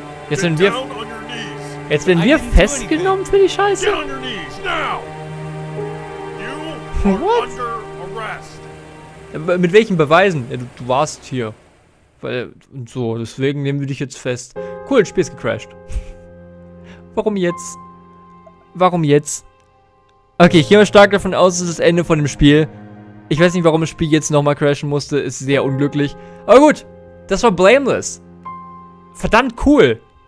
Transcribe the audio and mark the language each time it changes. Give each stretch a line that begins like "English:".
German: Jetzt werden wir festgenommen für die Scheiße.
English: Get on your knees now. You What? Under arrest.
German: Mit welchen Beweisen? Ja, du warst hier. Weil, und so, deswegen nehmen wir dich jetzt fest. Cool, das Spiel ist gecrashed. Warum jetzt? Okay, ich gehe mal stark davon aus, es ist das Ende von dem Spiel. Ich weiß nicht, warum das Spiel jetzt nochmal crashen musste. Ist sehr unglücklich. Aber gut, das war Blameless. Verdammt cool.